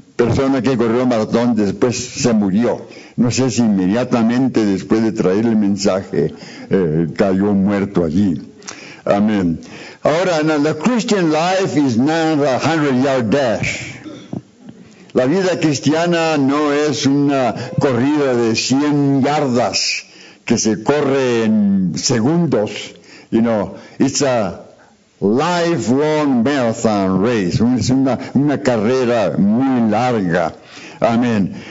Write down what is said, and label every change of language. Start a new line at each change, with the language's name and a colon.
Spanish: persona que corrió el maratón después se murió. No sé si inmediatamente después de traer el mensaje cayó muerto allí. Amén.
English: Ahora, now, the Christian life is not a 100-yard dash.
Spanish: La vida cristiana no es una corrida de 100 yardas que se corre en segundos.
English: You know, it's a lifelong marathon race.
Spanish: Es una carrera muy larga. Amén.